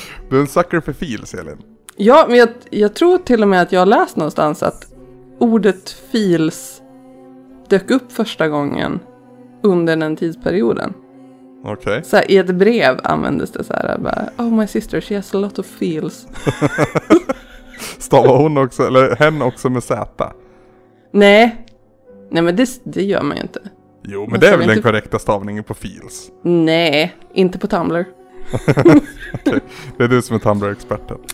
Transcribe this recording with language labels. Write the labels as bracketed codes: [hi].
[sv] Du är en sucker för feels, Elin. Ja, men jag tror till och med att jag har läst någonstans att ordet feels dök upp första gången under den tidsperioden. Okej. [en] Okay. [sv] I ett brev användes det så här. [en] Bara, oh my sister, she has a lot of feels. [sv] Stavar hon också, eller hen också med zäta? Nej. Nej, men det gör man ju inte. Jo, men det är väl inte... den korrekta stavningen på feels? Nej, inte på Tumblr. Okej, okay. Det är du som är Tumblr-experten.